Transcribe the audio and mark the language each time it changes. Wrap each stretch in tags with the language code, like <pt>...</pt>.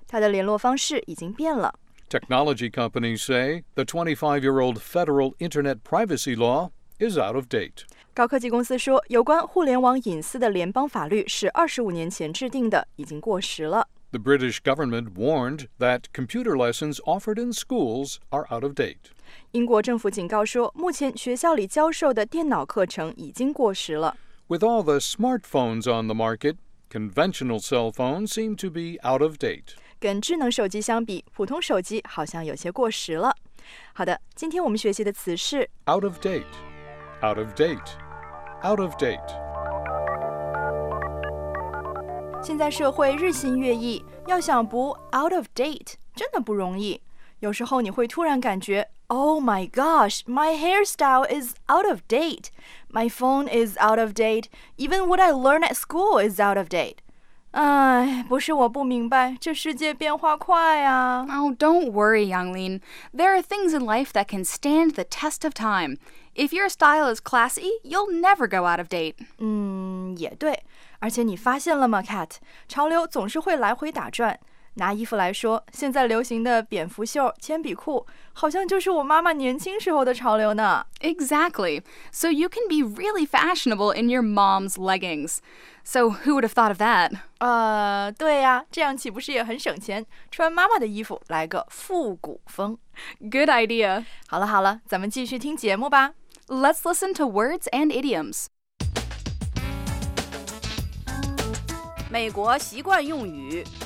<zh>他的联络方式已经变了。</zh> <en>Technology companies say the 25-year-old federal internet privacy law is out of date.</en> <zh>高科技公司说，有关互联网隐私的联邦法律是25年前制定的，已经过时了。</zh> <en>The British government warned that computer lessons offered in schools are out of date.</en> <zh>英国政府警告说，目前学校里教授的电脑课程已经过时了。</zh> <en>With all the smartphones on the market,Conventional cell phones seem to be out of date.</en> <zh>跟智能手机相比，普通手机好像有些过时了。好的，今天我们学习的词是</zh> <en>out of date, out of date, out of date.</en> <zh>现在社会日新月异，要想不 out of date 真的不容易。有时候你会突然感觉</zh> <en>Oh my gosh, my hairstyle is out of date. My phone is out of date. Even what I learn at school is out of date.</en> <zh>唉，不是我不明白，这世界变化快啊。</zh> <en>Oh, don't worry, Yanglin. There are things in life that can stand the test of time. If your style is classy, you'll never go out of date.</en> <zh>也对。而且你发现了吗 ,Kat? 潮流总是会来回打转。拿衣服来说，现在流行的蝙蝠袖、铅笔裤，好像就是我妈妈年轻时候的潮流呢。</zh> <en>Exactly. So you can be really fashionable in your mom's leggings. So who would have thought of that?</en> <zh>对呀，这样岂不是也很省钱？穿妈妈的衣服来个复古风。</zh> <en>Good idea.</en> <zh>好了好了，咱们继续听节目吧。</zh> <en>Let's listen to words and idioms.</en> <zh>美国习惯用语。</zh>